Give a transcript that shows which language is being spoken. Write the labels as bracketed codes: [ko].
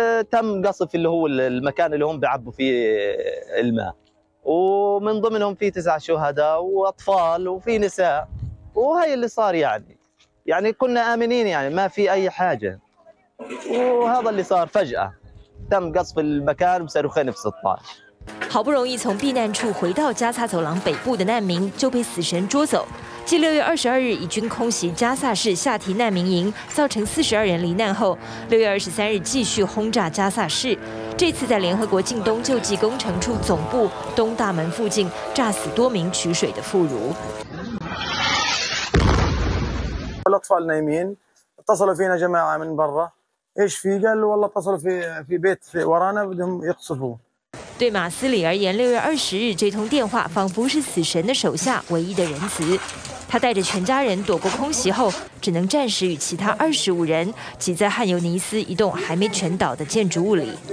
[ar] تم قصف اللي هو المكان اللي هم بيعبوا فيه الماء ومن ضمنهم في 9 شهداء وأطفال وفي نساء وهي اللي صار يعني كنا آمنين يعني ما في أي حاجة وهذا اللي صار فجأة تم قصف المكان بصاروخين في 16 [zh] 好不容易从避难处回到加萨走廊北部的难民就被死神捉走。继6月22日以军空袭加萨市下提难民营，造成42人罹难后，6月23日继续轰炸加萨市。这次在联合国近东救济工程处总部东大门附近炸死多名取水的妇孺。 [ar] اتصلوا فينا جماعة من برا إيش في قال والله اتصلوا في بيت ورانا بدهم يقصفوا [zh] 对马斯里而言，6月20日这通电话仿佛是死神的手下唯一的仁慈。他带着全家人躲过空袭后，只能暂时与其他25人挤在汉尤尼斯一栋还没全倒的建筑物里。